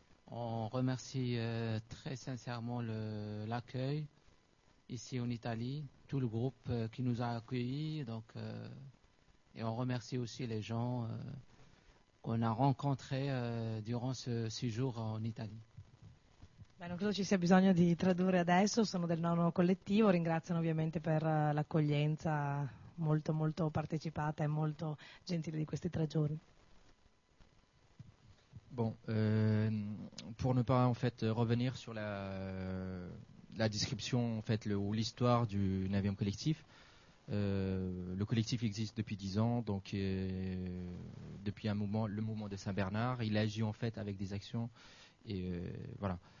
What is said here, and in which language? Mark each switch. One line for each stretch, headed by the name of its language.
French: On remercie très sincèrement l'accueil ici en Italie, tout le groupe qui nous a accueillis. Donc, et on remercie aussi les gens qu'on a rencontrés durant ce 6 jours en Italie.
Italian: Beh, non credo ci sia bisogno di tradurre adesso, sono del 9° collettivo, ringraziano ovviamente per l'accoglienza molto molto partecipata e molto gentile di questi 3 giorni.
French: Bon, pour ne pas en fait revenir sur la description en fait ou l'histoire du 9e collectif. Le collectif existe depuis 10 ans, donc depuis un moment, le mouvement de Saint-Bernard, il agit en fait avec des actions. Et voilà.